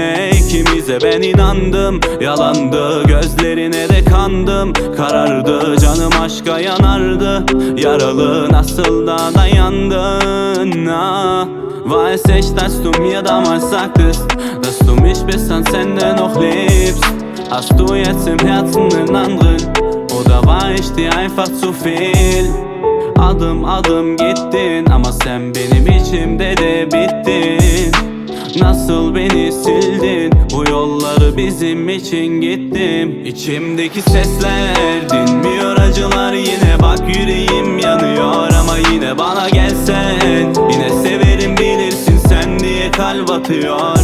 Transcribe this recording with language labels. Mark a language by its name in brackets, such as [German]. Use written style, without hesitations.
[Turkish] İkimize ben inandım, yalandı gözlerine de kandım. Karardı canım, aşka yanardı. Yaralı nasıl da dayandın? [German] Was ich, dass du mir damals sagtest, dass du mich bis ans Ende noch liebst. Hast du jetzt im Herzen einen anderen oder war ich dir einfach zu viel? [Turkish] Adım adım gittin ama sen benim içimde de bittin. Nasıl beni sildin, bu yolları bizim için gittim. İçimdeki sesler dinmiyor, acılar yine. Bak yüreğim yanıyor ama yine bana gelsen, yine severim bilirsin sen diye kalp atıyor.